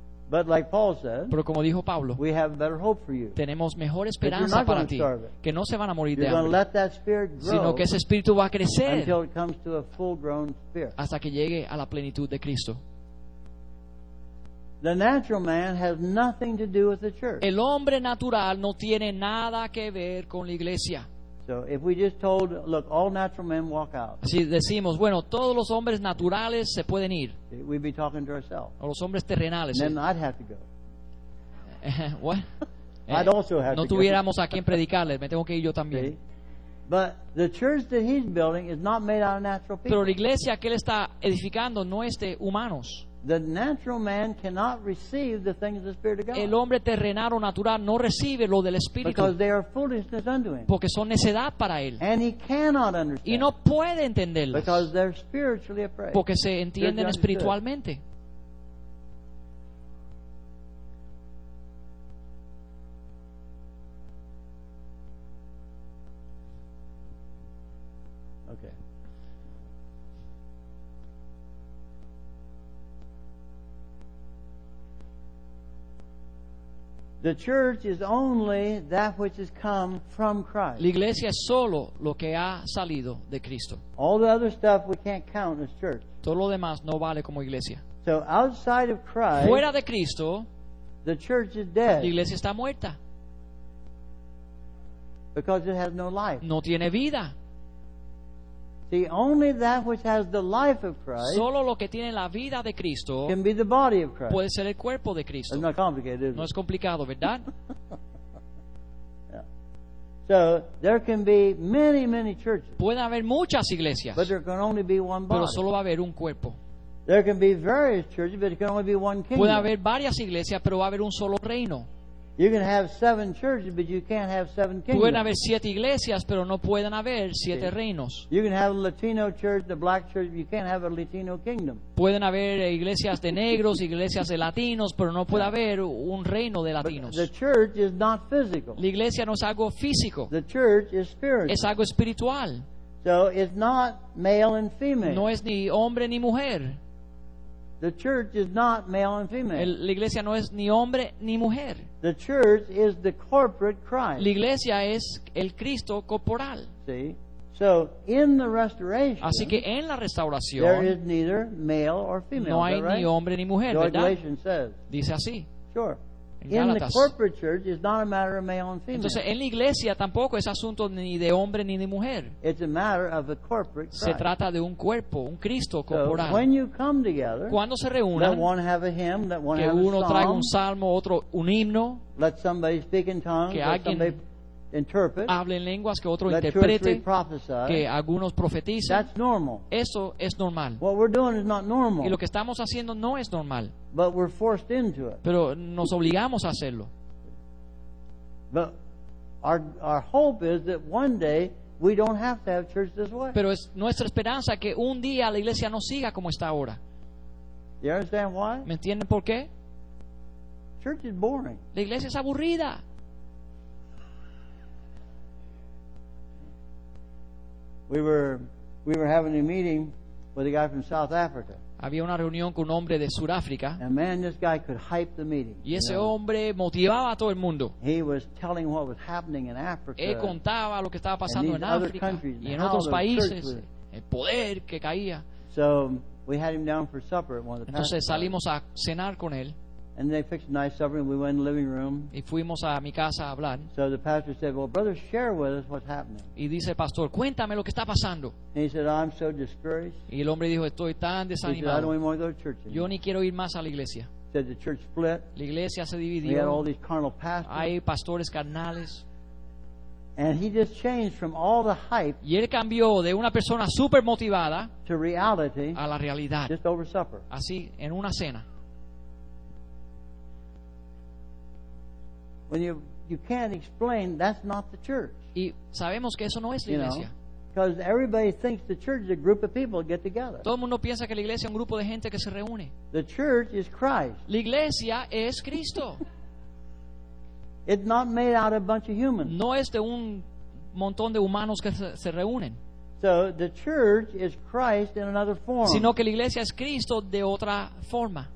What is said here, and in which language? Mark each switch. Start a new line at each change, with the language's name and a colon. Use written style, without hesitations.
English: But like Paul said,
Spanish: pero como dijo Pablo,
English: we have better hope for you.
Spanish: Tenemos mejor esperanza para ti, que no se van a morir
English: you're
Spanish: de hambre,
English: let that spirit grow,
Spanish: sino que ese espíritu va a crecer
English: until it comes to a full-grown spirit.
Spanish: Hasta que llegue a la plenitud de Cristo.
English: The natural man has nothing to do with the church.
Spanish: El hombre natural no tiene nada que ver con la iglesia.
English: So if we just told, look, all natural men walk out.
Spanish: Si decimos, bueno, todos los hombres naturales se pueden ir.
English: We'd be talking to ourselves.
Spanish: O los hombres terrenales.
English: And then I'd have to go. What? I'd also have
Spanish: no No tuviéramos a quien predicarles. Me tengo que ir yo también.
English: See? But the church that he's building is not made out of natural people.
Spanish: Pero la iglesia que él está edificando no es de humanos.
English: The natural man cannot receive the things of the Spirit of God.
Spanish: El hombre terrenal o natural no recibe lo del Espíritu.
English: Because they are foolishness unto him.
Spanish: Porque son necedad para él.
English: And he cannot understand.
Spanish: Y no puede entenderlas.
English: Because they're spiritually appraised.
Spanish: Porque se entienden espiritualmente.
English: The church is only that which has come from Christ.
Spanish: La iglesia es solo lo que ha salido de Cristo.
English: All the other stuff we can't count as church.
Spanish: Todo lo demás no vale como iglesia.
English: So outside of Christ,
Spanish: fuera de Cristo,
English: the church is dead.
Spanish: La iglesia está muerta.
English: Because it has no life.
Spanish: No tiene vida.
English: See, only that which has the life of Christ,
Spanish: solo lo que tiene la vida de Cristo,
English: can be the body of Christ.
Spanish: Puede ser el cuerpo de Cristo.
English: It's not complicated, is it?
Spanish: No es complicado, ¿verdad?
English: So there can be many, many churches.
Spanish: Puede haber muchas iglesias,
English: but there can only be one body.
Spanish: Pero solo va a haber un cuerpo.
English: There can be various churches, but it can only be one kingdom.
Spanish: Puede haber varias iglesias, pero va a haber un solo reino.
English: You can have seven churches, but you can't have seven kingdoms.
Spanish: Pueden haber siete iglesias, pero no pueden haber siete reinos.
English: You can have a Latino church, a black church, but you can't have a Latino kingdom.
Spanish: Pueden haber iglesias de negros, iglesias de latinos, pero no puede haber un reino de latinos.
English: But the church is not physical.
Spanish: La iglesia no es algo físico.
English: The church is spiritual.
Spanish: Es algo espiritual.
English: So it's not male and female.
Spanish: No es ni hombre ni mujer.
English: The church is not male and female.
Spanish: La iglesia no es ni hombre ni mujer.
English: The church is the corporate Christ.
Spanish: La iglesia es el Cristo corporal.
English: See? So in the restoration,
Spanish: así que en la restauración,
English: there is neither male or female.
Spanish: No hay
English: right?
Spanish: ni hombre ni mujer, ¿verdad?
English: Galatians says.
Spanish: Dice así.
English: Sure. In the corporate church, it's not a matter of male and female.
Spanish: Entonces, en la iglesia tampoco es asunto ni de hombre ni de mujer.
English: It's a matter of a corporate Christ.
Spanish: Se trata de un cuerpo, un Cristo corporal.
English: So, when you come together,
Spanish: cuando se reúnan,
English: that one have a hymn, that one
Spanish: que
English: have
Spanish: uno
English: a song,
Spanish: traiga un salmo, otro un himno,
English: let somebody speak in tongues,
Spanish: que alguien
English: interpret,
Spanish: hable en lenguas, que otro
English: let
Spanish: interprete,
English: two or three prophesy,
Spanish: que algunos profeticen,
English: that's normal.
Spanish: Eso es normal.
English: What we're doing is not normal.
Spanish: Y lo que estamos haciendo no es normal.
English: But we're forced into it.
Spanish: Pero nos obligamos a hacerlo.
English: But our hope is that one day we don't have to have church this way.
Spanish: Pero es nuestra esperanza que un día la iglesia no siga como está ahora.
English: You understand why?
Spanish: ¿Me entienden por qué?
English: Church is boring.
Spanish: La iglesia es aburrida.
English: We were having a meeting with a guy from South Africa.
Spanish: Había una reunión con un hombre de Sudáfrica.
English: And man, this guy could hype the meeting.
Spanish: Y ese hombre motivaba a todo el mundo.
English: He was telling what was happening in Africa.
Spanish: Él contaba lo que estaba pasando en África y en otros países, el poder que caía.
English: So we had him down for supper at one of the
Spanish: Entonces salimos a cenar con él.
English: And they fixed a nice supper, and we went in the living room.
Spanish: Y fuimos a mi casa a hablar.
English: So the pastor said, "Well, brother, share with us what's happening."
Spanish: Y dice el pastor, cuéntame lo que está pasando.
English: And he said, "I'm so discouraged."
Spanish: Y el hombre dijo, estoy tan desanimado.
English: He said, "I don't even want to go to church anymore."
Spanish: Yo ni quiero ir más a la iglesia.
English: He said the church split.
Spanish: La iglesia se dividió.
English: We had all these carnal pastors.
Spanish: Hay pastores carnales.
English: And he just changed from all the hype.
Spanish: Y él cambió de una persona super motivada
English: to reality.
Spanish: A la realidad.
English: Just over supper.
Spanish: Así, en una cena.
English: When you can't explain, that's not the church.
Spanish: Y sabemos que eso no es la iglesia.
English: Because everybody thinks the church is a group of people that get together.
Spanish: Todo el mundo piensa que la iglesia es un grupo de gente que se reúne.
English: The church is Christ.
Spanish: La iglesia es Cristo.
English: It's not made out of a bunch of humans.
Spanish: No es de un montón de humanos que se reúnen.
English: So the church is Christ in another form.
Spanish: Sino que la iglesia es Cristo de otra forma.